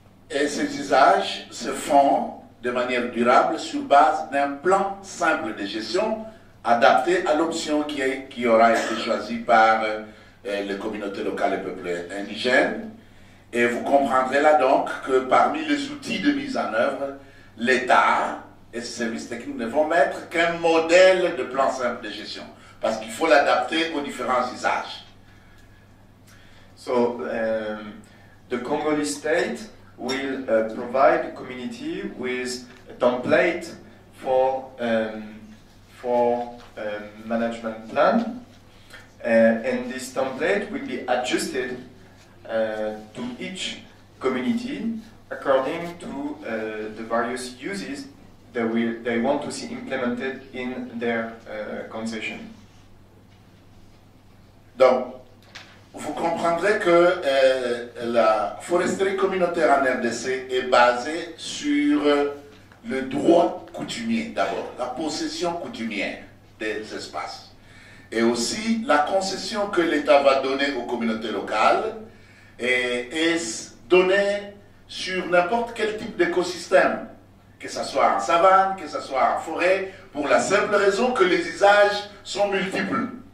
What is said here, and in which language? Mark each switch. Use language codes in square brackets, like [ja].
[fr] Et ces usages se font de manière durable sur base d'un plan simple de gestion adapté à l'option qui aura été choisie par les communautés locales et peuples indigènes. Et vous comprendrez là donc que parmi les outils de mise en œuvre, l'État et ses services techniques ne vont mettre qu'un modèle de plan simple de gestion, parce qu'il faut l'adapter aux différents usages. [en] So, the Congolese state will provide the community with a template for management plan, and this template will be adjusted to each community according to the various uses they want to see implemented in their concession. [fr] Donc, vous comprendrez que la foresterie communautaire en RDC est basée sur le droit coutumier d'abord, la possession coutumière des espaces. Et aussi la concession que l'État va donner aux communautés locales est donnée sur n'importe quel type d'écosystème, que ce soit en savane, que ce soit en forêt, pour la simple raison que les usages sont multiples.